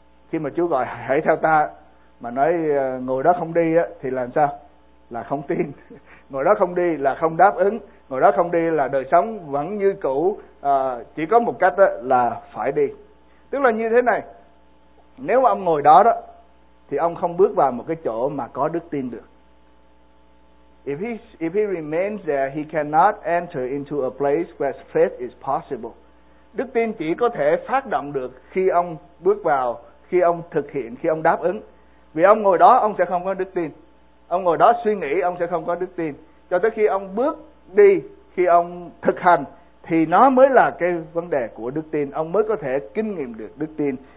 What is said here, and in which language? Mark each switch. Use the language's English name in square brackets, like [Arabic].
[Vietnamese] Khi mà Chúa gọi hãy theo ta mà nói ngồi đó không đi á thì làm sao? Là không tin. Ngồi đó không đi là không đáp ứng, ngồi đó không đi là đời sống vẫn như cũ. Chỉ có một cách là phải đi. Tức là như thế này, nếu ông ngồi đó thì ông không bước vào một cái chỗ mà có đức tin được. [English] If he remains there, he cannot enter into a place where faith is possible. [Vietnamese] Đức tin chỉ có thể phát động được khi ông bước vào, khi ông thực hiện, khi ông đáp ứng. Vì ông ngồi đó, ông sẽ không có đức tin. Ông ngồi đó suy nghĩ, ông sẽ không có đức tin. Cho tới khi ông bước đi, khi ông thực hành, thì nó mới là cái vấn đề của đức tin. Ông mới có thể kinh nghiệm được đức tin